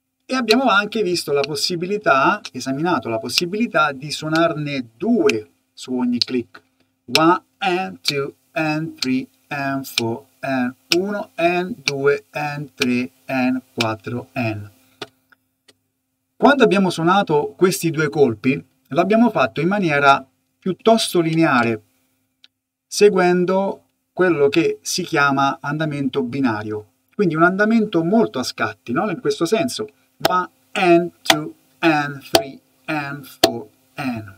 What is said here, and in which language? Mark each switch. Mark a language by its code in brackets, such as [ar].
[it] E abbiamo anche visto la possibilità, esaminato la possibilità di suonarne due su ogni click. [en] 1 and 2 and 3 and 4 and 1 and 2 and 3 and 4 and. [it] Quando abbiamo suonato questi due colpi, l'abbiamo fatto in maniera piuttosto lineare, seguendo quello che si chiama andamento binario. Quindi un andamento molto a scatti, no? In questo senso. [en] 1 and 2 and 3 and 4 and.